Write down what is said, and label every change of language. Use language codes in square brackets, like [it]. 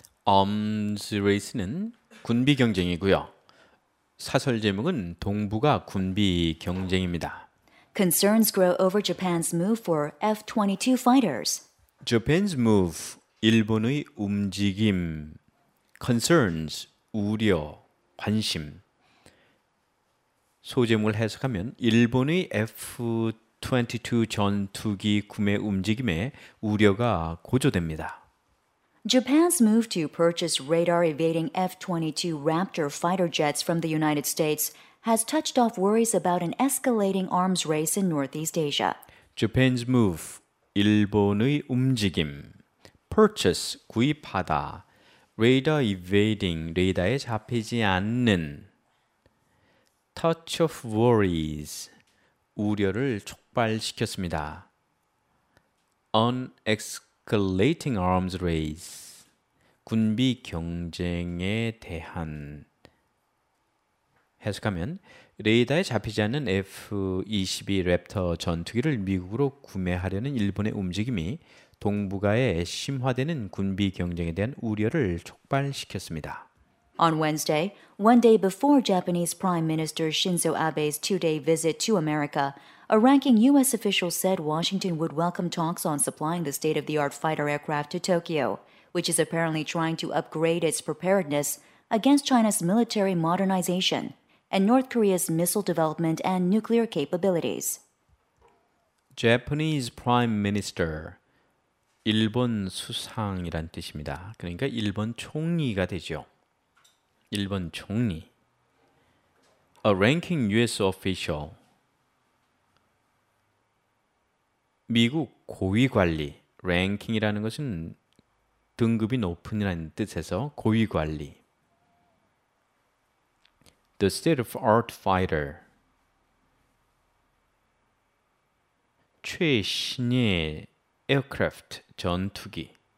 [en] Arms race [ko] 는 군비 경쟁이고요. 사설 제목은 동북아 군비 경쟁입니다. [en] Concerns grow over Japan's move for F-22 fighters. Japan's move, [ko] 일본의 움직임. Concerns, 우려, 관심. 소제목을 해석하면 일본의 F-22 전투기 구매 움직임에 우려가 고조됩니다. [en] Japan's move to purchase radar-evading F-22 Raptor fighter jets from the United States has touched off worries about an escalating arms race in Northeast Asia. Japan's move, [ko] 일본의 움직임, purchase, 구입하다, [en] radar-evading, [ko] 레이더에 잡히지 않는, [en] touch of worries, [ko] 우려를 촉발시켰습니다. [en] Unescalating arms race, [ko] 군비 경쟁에 대한 해석하면 레이더에 잡히지 않는 F-22 랩터 전투기를 미국으로 구매하려는 일본의 움직임이 동북아에 심화되는 군비 경쟁에 대한 우려를 촉발시켰습니다. [en] On Wednesday, one day before Japanese Prime Minister Shinzo Abe's two-day visit to America, a ranking U.S. official said Washington would welcome talks on supplying the state-of-the-art fighter aircraft to Tokyo, which is apparently trying to upgrade its preparedness against China's military modernization and North Korea's missile development and nuclear capabilities. Japanese Prime Minister, [ko] 일본 수상이란 뜻입니다. 그러니까 일본 총리가 되죠. 일본 총리. [en] A ranking U.S. [ko] official, 미국 고위 관리, ranking이라는 것은 등급이 높은이라는 뜻에서 고위 관리. [en] The state of art fighter. [ko] 최신의 aircraft 전투기.